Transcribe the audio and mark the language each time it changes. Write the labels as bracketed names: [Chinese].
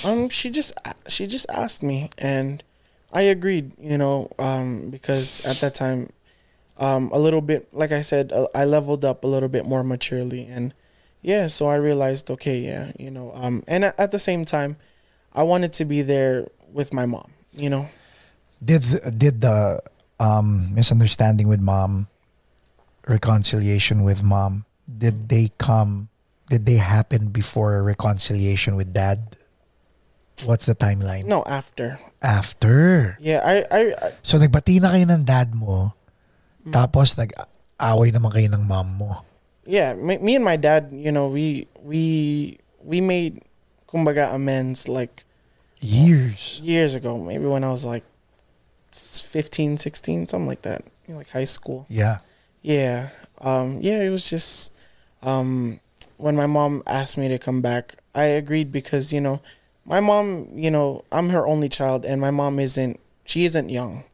[English] She just asked me, and I agreed, you know, because at that time, a little bit, like I said, I leveled up a little bit more maturely, and yeah, so I realized, okay, yeah, you know, and at the same time, I wanted to be there with my mom, you know. Did the misunderstanding with mom, reconciliation with mom, did they happen before a reconciliation with dad? What's the timeline? No, after. After? Yeah, I [Filipino] so nagbati na kayo ng dad mo, tapos nag-away naman kayo ng mom mo. [English] Yeah, me and my dad, you know, we made, kumbaga, amends like years ago, maybe when I was like 15, 16, something like that, you know, like high school. Yeah. Yeah. It was just when my mom asked me to come back, I agreed because, you know, my mom, you know, I'm her only child, and my mom isn't young.